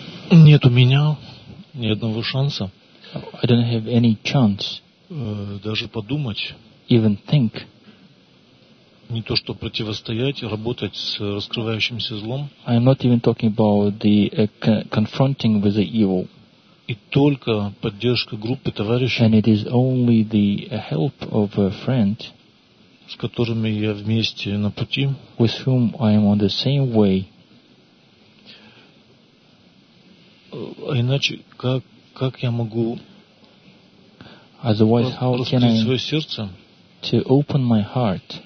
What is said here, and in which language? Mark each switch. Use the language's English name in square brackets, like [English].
[Russian] Нет у меня ни одного шанса. [English] I don't have any chance. [Russian] Даже подумать, [English] even think, [Russian] не то что противостоять, работать с раскрывающимся злом, [English] I'm not even talking about the confronting with the evil, [Russian] и только поддержка группы товарищей, [English] and it is only the help of a friend, [Russian] с которыми я вместе на пути, [English] with whom I am on the same way, [Russian] а иначе как я могу [English] Otherwise, how can I to open my heart?